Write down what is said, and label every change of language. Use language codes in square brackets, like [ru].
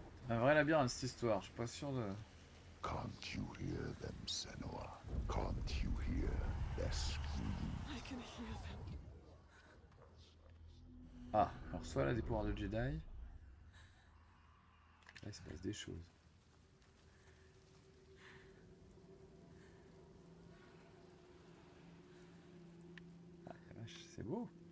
[fr] Un vrai labyrinthe cette histoire, je suis pas sûr de... [en] Can't you hear them, Senua? Can't you hear their screams? I can hear them. [fr] Ah, alors soit elle a des pouvoirs de Jedi. Là, il se passe des choses. Ah, vache, c'est beau.